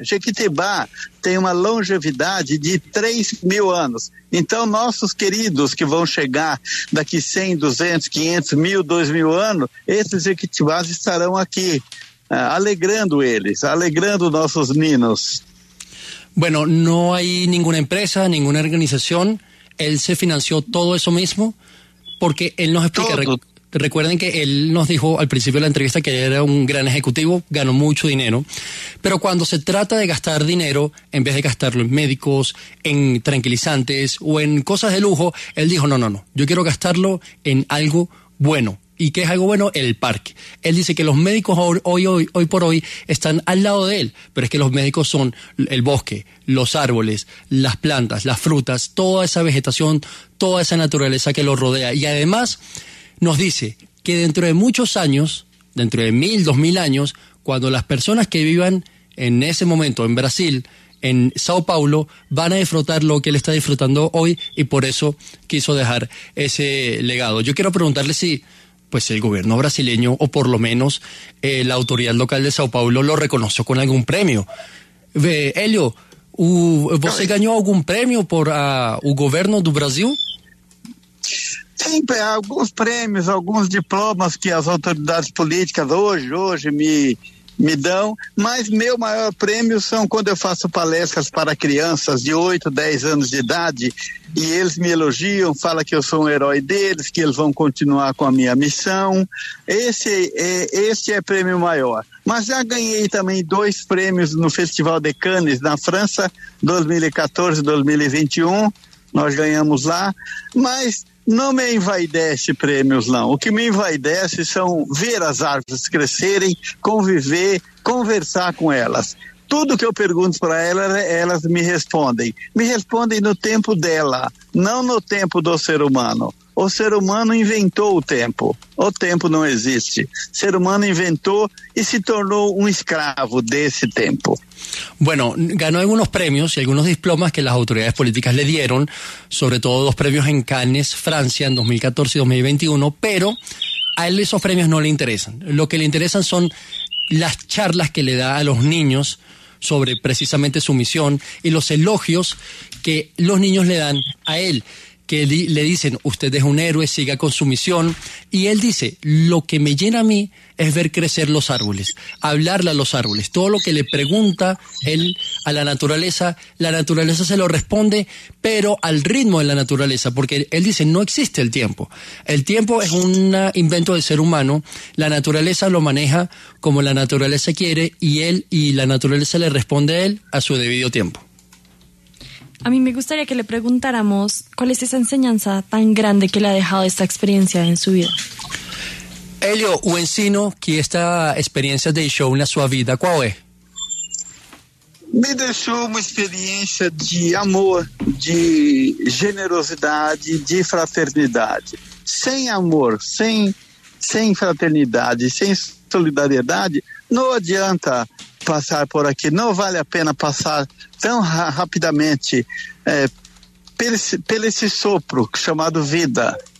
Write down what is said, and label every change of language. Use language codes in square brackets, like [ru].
[pt] Jequitibá tem uma longevidade de 3000 anos. Então, nossos queridos que vão chegar daqui 100, 200, 500, 1000, 2000 anos, esses Jequitibás estarão aqui, alegrando eles, alegrando nossos ninos. [es] Bueno, no hay ninguna empresa, ninguna organización. Él se financió todo eso mismo porque él nos explica. Recuerden que él nos dijo al principio de la entrevista que era un gran ejecutivo, ganó mucho dinero. Pero cuando se trata de gastar dinero, en vez de gastarlo en médicos, en tranquilizantes o en cosas de lujo, él dijo, no, yo quiero gastarlo en algo bueno. ¿Y qué es algo bueno? El parque. Él dice que los médicos hoy por hoy están al lado de él, pero es que los médicos son el bosque, los árboles, las plantas, las frutas, toda esa vegetación, toda esa naturaleza que lo rodea. Y además nos dice que dentro de muchos años, dentro de 1000, 2000 años, cuando las personas que vivan en ese momento en Brasil, en Sao Paulo, van a disfrutar lo que él está disfrutando hoy y por eso quiso dejar ese legado. Yo quiero preguntarle si pues el gobierno brasileño, o por lo menos la autoridad local de Sao Paulo, lo reconoció con algún premio. [pt] Hélio, você ganhou algum prêmio por o governo do Brasil? Sim, alguns prêmios, alguns diplomas que as autoridades políticas hoje me dão, mas meu maior prêmio são quando eu faço palestras para crianças de 8, 10 anos de idade e eles me elogiam, falam que eu sou um herói deles, que eles vão continuar com a minha missão. Esse é prêmio maior. Mas já ganhei também 2 prêmios no Festival de Cannes, na França, 2014-2021, nós ganhamos lá, mas não me envaidece prêmios, não. O que me envaidece são ver as árvores crescerem, conviver, conversar com elas. Tudo que eu pergunto para elas, elas me respondem. Me respondem no tempo dela, não no tempo do ser humano. O ser humano inventou o tempo. O tempo não existe. O ser humano inventou e se tornou um escravo desse tempo. [es] Bueno, ganó algunos premios y algunos diplomas que las autoridades políticas le dieron, sobre todo 2 premios en Cannes, Francia, en 2014 y 2021, pero a él esos premios no le interesan. Lo que le interesan son las charlas que le da a los niños sobre precisamente su misión y los elogios que los niños le dan a él, que le dicen, usted es un héroe, siga con su misión. Y él dice, lo que me llena a mí es ver crecer los árboles, hablarle a los árboles. Todo lo que le pregunta él a la naturaleza se lo responde, pero al ritmo de la naturaleza, porque él dice, no existe el tiempo. El tiempo es un invento del ser humano, la naturaleza lo maneja como la naturaleza quiere y él y la naturaleza le responde a él a su debido tiempo. A mí me gustaría que le preguntáramos cuál es esa enseñanza tan grande que le ha dejado esta experiencia en su vida. [pt] Hélio, o ensino que esta experiência deixou na sua vida, qual é? Me deixou uma experiência de amor, de generosidade, de fraternidade. Sem amor, sem fraternidade, sem solidariedade, não adianta passar por aqui, não vale a pena passar tão rapidamente por esse sopro chamado vida.